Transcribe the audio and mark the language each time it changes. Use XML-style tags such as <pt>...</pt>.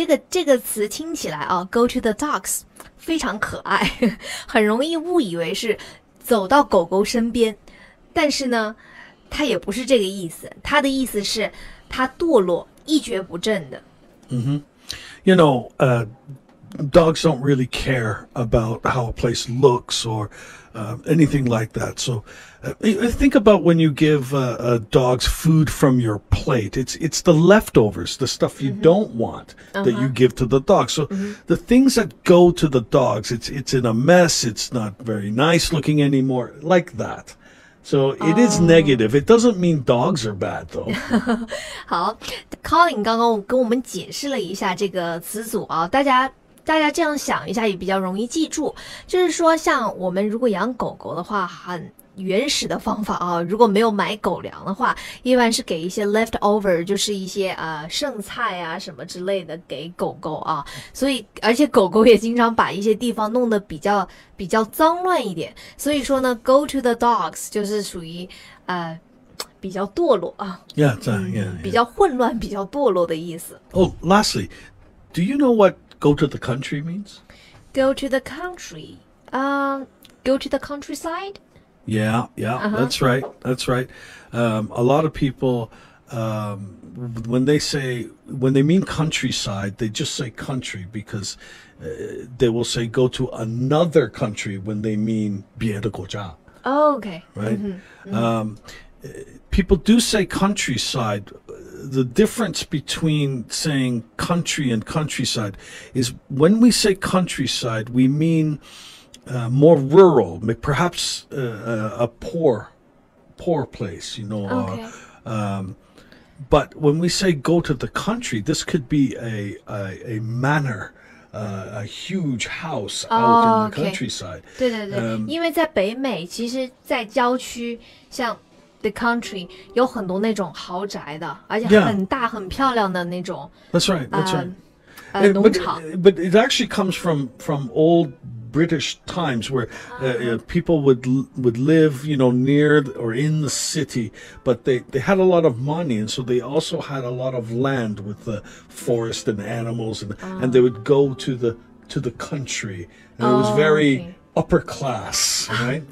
<zh>这个词听起来啊</zh> <en>go to the dogs,</en> <zh>非常可爱，很容易误以为是走到狗狗身边，但是呢它也不是这个意思，它的意思是它堕落一蹶不振的。</zh> <en>You know, dogs don't really care about how a place looks or anything like that. So think about when you give dogs food from your plate. It's the leftovers, the stuff you don't want that you give to the dog. So the things that go to the dogs, it's in a mess. It's not very nice looking anymore, like that. So it is negative. It doesn't mean dogs are bad, though.</en> <zh>好 ，Colin 刚刚跟我们解释了一下这个词组啊，大家这样想一下也比较容易记住。就是说，像我们如果养狗狗的话，很原始的方法啊，如果没有买狗粮的话，一般是给一些 leftover， 就是一些剩菜啊什么之类的给狗狗啊。所以，而且狗狗也经常把一些地方弄得比较脏乱一点。所以说呢 ，</zh> <en>go to the dogs</en> <zh>就是属于比较堕落啊。 Yeah. 比较混乱、比较堕落的意思。</zh> <en>Oh, lastly, do you know what go to the country means? Go to the country. Go to the countryside. Yeah, that's right. A lot of people when they mean countryside, they just say country because they will say go to another country when they mean</en> <zh>别的国家.</zh> <en>Oh, okay. Right? Mm-hmm. Mm-hmm. People do say countryside. The difference between saying country and countryside is when we say countryside, we mean more rural, perhaps a poor place, you know. Okay. But when we say go to the country, this could be a manor, a huge house out in the countryside.</en> <zh>对对对，因为在北美，其实在郊区，像 the country 有很多那种豪宅的，而且很大很漂亮的那种。</zh> <en>That's right. That's right.</en> <zh>农场。</zh> <en>But it actually comes from old British times where people would live, you know, near or in the city, but they had a lot of money, and so they also had a lot of land with the forest and animals, and they would go to the country, and it was very upper class, right?</en>